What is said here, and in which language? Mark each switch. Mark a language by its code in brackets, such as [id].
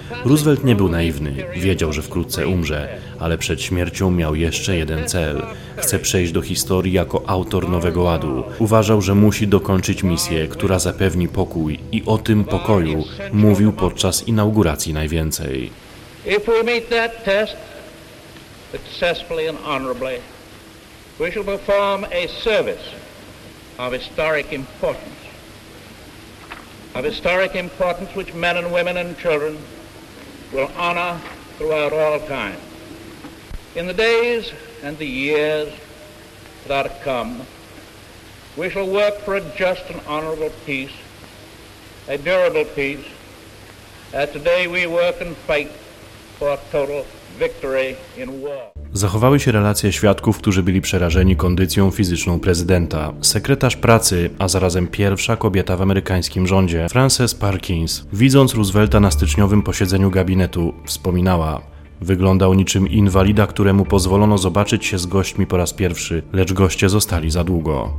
[pl] Roosevelt nie był naiwny, wiedział, że wkrótce umrze, ale przed śmiercią miał jeszcze jeden cel. Chce przejść do historii jako autor Nowego Ładu. Uważał, że musi dokończyć misję, która zapewni pokój i o tym pokoju mówił podczas inauguracji najwięcej. [en] If we meet that test successfully and honorably, we shall perform a service of historic importance. Of historic importance which men and women and children will honor throughout all time. In the days and the years that are to come, we shall work for a just and honorable peace, a durable peace, as today we work and fight for a total victory in war. [pl] Zachowały się relacje świadków, którzy byli przerażeni kondycją fizyczną prezydenta. Sekretarz pracy, a zarazem pierwsza kobieta w amerykańskim rządzie, Frances Parkins, widząc Roosevelta na styczniowym posiedzeniu gabinetu, wspominała: wyglądał niczym inwalida, któremu pozwolono zobaczyć się z gośćmi po raz pierwszy, lecz goście zostali za długo.